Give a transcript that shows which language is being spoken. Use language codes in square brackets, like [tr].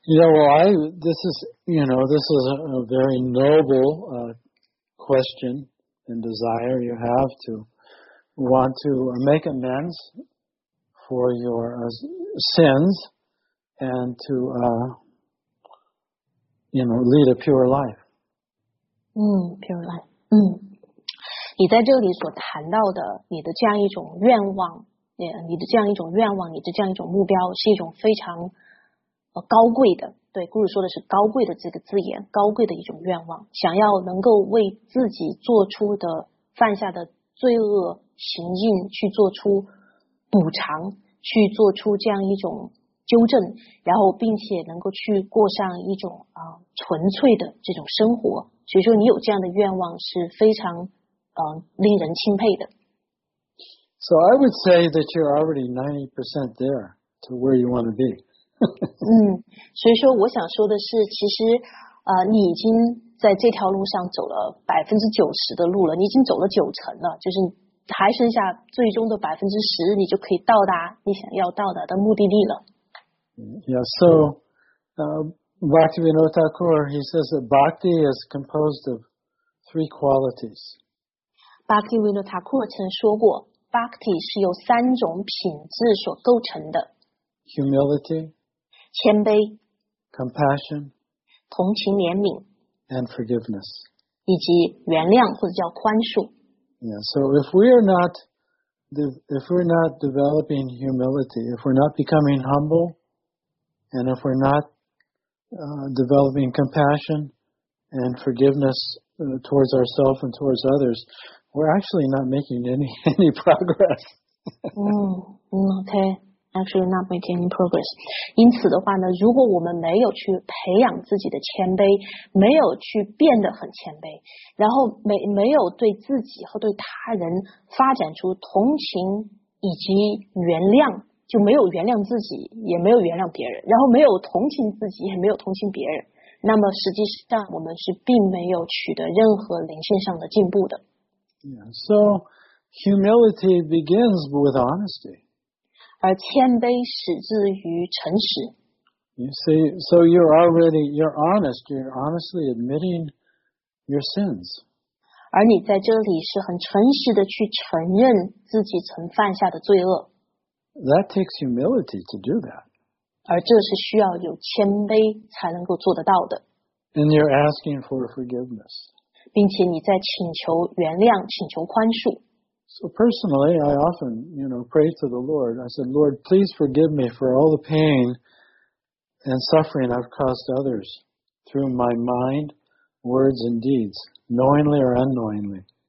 [en] This is a very noble question and desire you have to want to make amends for your sins and to lead a pure life. Pure life. [zh] 你在这里所谈到的你的这样一种愿望，你的这样一种愿望，你的这样一种目标是一种非常高贵的，对，故事说的是高贵的这个字眼，高贵的一种愿望，想要能够为自己做出的犯下的罪恶行径去做出补偿，去做出这样一种纠正，然后并且能够去过上一种纯粹的这种生活。所以说你有这样的愿望是非常令人钦佩的。 [en] So I would say that you're already 90% there to where you want to be. [zh] 所以说我想说的是，其实你已经在这条路上走了90%的路了，你已经走了90%了，就是还剩下最终的10%，你就可以到达你想要到达的目的地了。 [en] Yeah, so, Bhaktivinoda Thakur, he says that bhakti is composed of three qualities. [zh] Bhaktivinoda Thakur 曾说过 ，bhakti 是由三种品质所构成的 [en] ：humility， [zh] 谦卑 [en] ；compassion， [zh] 同情怜悯 [en] ；and forgiveness， [zh] 以及原谅或者叫宽恕。 [en] Yeah, so if we are not, if we're not developing humility, if we're not becoming humble, and if we're not developing compassion and forgiveness towards ourselves and towards others, we're actually not making any progress. okay, actually not making any progress. [zh] 因此的话呢，如果我们没有去培养自己的谦卑，没有去变得很谦卑，然后没有对自己和对他人发展出同情以及原谅，就没有原谅自己，也没有原谅别人，然后没有同情自己，也没有同情别人，那么实际上我们是并没有取得任何灵性上的进步的。 [en] Yeah, so humility begins with honesty. [zh] 而谦卑始自于诚实。 [en] You see, so you're honest, you're honestly admitting your sins. [zh] 而你在这里是很诚实的去承认自己曾犯下的罪恶。 [en] That takes humility to do that. [zh] 而这是需要有谦卑才能够做得到的。 [en] And you're asking for forgiveness. [zh] 并且你在请求原谅，请求宽恕。 [en] So personally, I often, you know, pray to the Lord. I said, Lord, please forgive me for all the pain and suffering I've caused others through my mind, words, and deeds, knowingly or unknowingly.